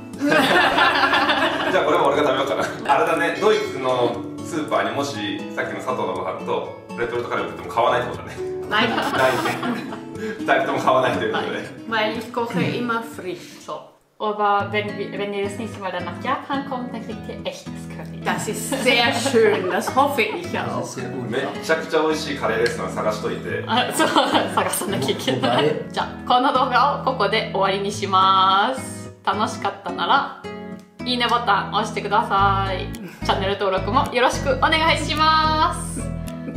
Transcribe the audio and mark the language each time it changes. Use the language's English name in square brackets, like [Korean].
[Japanese] じゃあこれも俺が食べようかな。あれだね、ドイツのスーパーにもしさっきの佐藤のご飯とレトルトカレーを売っても買わないってことだね。ないね。ないね。二人とも買わないということで。 [German] Weil ich koche immer frisch. So. Aber wenn ihr das nächste Mal dann nach Japan kommt, dann kriegt ihr echtes Curry. Das ist sehr schön. Das hoffe ich auch. [Japanese] めちゃくちゃ美味しいカレーレストラン探しといて。そう、探さなきゃいけない。じゃあこの動画をここで終わりにします。楽しかったならいいねボタン押してください。チャンネル登録もよろしくお願いします。